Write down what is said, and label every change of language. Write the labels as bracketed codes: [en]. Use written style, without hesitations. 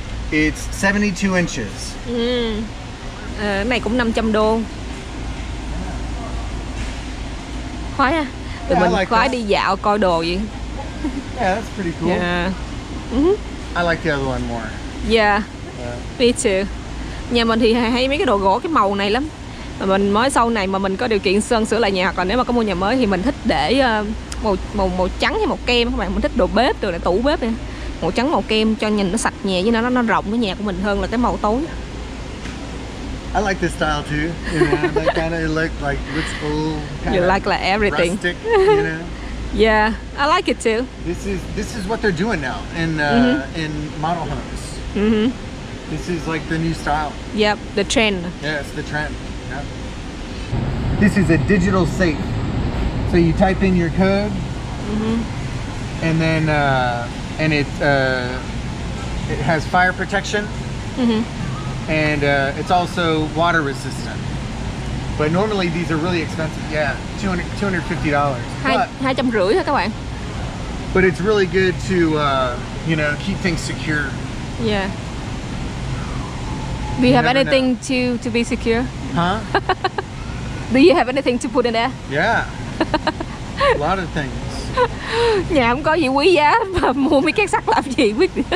[en] It's 72 inches. [vi] Cái này cũng 500 đô. khoái à? Tụi mình like khoái that. Đi dạo coi đồ vậy. [en] Yeah, that's pretty cool. Yeah. Mm-hmm. I like the other one more. Yeah. Me too. [vi] Nhà mình thì hay mấy cái đồ gỗ cái màu này lắm. Mà mình mới sau này mà mình có điều kiện sơn sửa lại nhà, hoặc là nếu mà có mua nhà mới thì mình thích để màu trắng hay màu kem các bạn. Mình thích đồ bếp, đồ này, tủ bếp này. Màu trắng màu kem cho nhìn nó sạch nhẹ với nó rộng cái nhà của mình hơn là cái màu tối. [en] I like this style too. You know, that kind of look like rich old. You like like everything. Rustic, you know? Yeah, I like it too. This is what they're doing now in model homes. Mm-hmm. This is like the new style. Yep, the trend. Yes, the trend. This is a digital safe. So you type in your code, and then it has fire protection, and it's also water resistant. But normally these are really expensive. Yeah, $250. [vi] $250 thôi các bạn. [en] But it's really good to keep things secure. Yeah. Do you have anything to be secure? Huh? Do you have anything to put in there? Yeah. A lot of things. [vi] Nhà không có gì quý giá mà mua mấy két sắt làm gì quý.